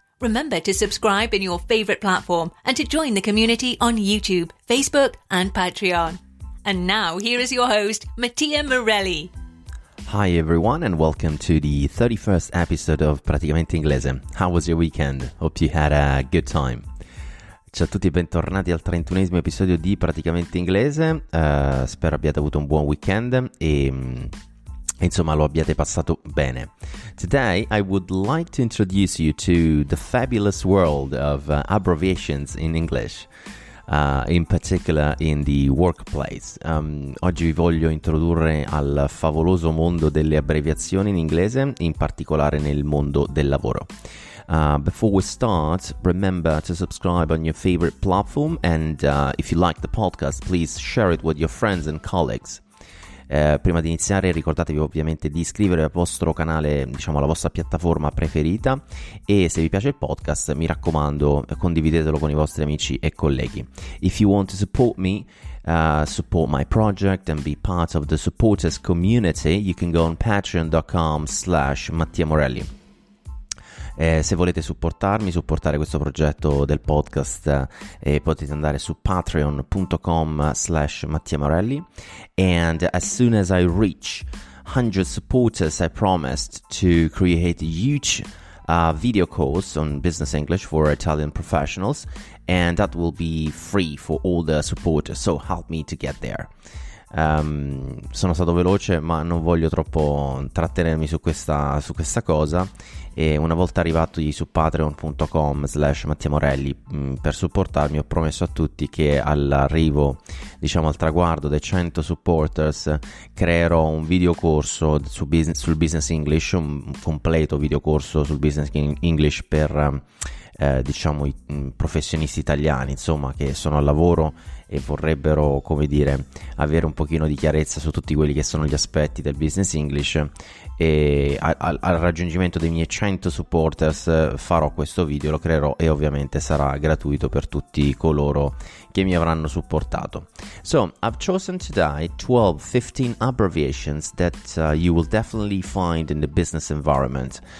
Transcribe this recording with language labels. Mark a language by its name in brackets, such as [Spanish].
[English] Remember to subscribe in your favorite platform and to join the community on YouTube, Facebook and Patreon. And now here is your host, Mattia Morelli. Hi everyone and welcome to the 31st episode of Praticamente Inglese. How was your weekend? Hope you had a good time. [Italian] Ciao a tutti e bentornati al 31esimo episodio di Praticamente Inglese. Spero abbiate avuto un buon weekend e insomma lo abbiate passato bene. [English] Today I would like to introduce you to the fabulous world of abbreviations in English, in particular in the workplace. [Italian] Oggi vi voglio introdurre al favoloso mondo delle abbreviazioni in inglese, in particolare nel mondo del lavoro. [English] Before we start, remember to subscribe on your favorite platform and if you like the podcast, please share it with your friends and colleagues. [Italian] Prima di iniziare, ricordatevi ovviamente di iscrivervi al vostro canale, diciamo alla vostra piattaforma preferita, e se vi piace il podcast, mi raccomando, condividetelo con i vostri amici e colleghi. [English] If you want to support me, support my project and be part of the supporters community, you can go on patreon.com/Mattia Morelli. [Italian] Se volete supportarmi, supportare questo progetto del podcast, potete andare su patreon.com/Mattia Morelli. [English] And as soon as I reach 100 supporters, I promised to create a huge video course on business English for Italian professionals, and that will be free for all the supporters, so help me to get there. [Italian] Sono stato veloce, ma non voglio troppo trattenermi su questa cosa. E una volta arrivato su patreon.com/Mattia Morelli per supportarmi, ho promesso a tutti che all'arrivo, diciamo al traguardo dei 100 supporters, creerò un videocorso sul business English, un completo videocorso sul business English per diciamo i professionisti italiani, insomma, che sono al lavoro e vorrebbero, come dire, avere un pochino di chiarezza su tutti quelli che sono gli aspetti del business English. E al raggiungimento dei miei 100 supporters farò questo video, lo creerò e ovviamente sarà gratuito per tutti coloro che mi avranno supportato. [English] So, I've chosen today 12-15 abbreviations that you will definitely find in the business environment.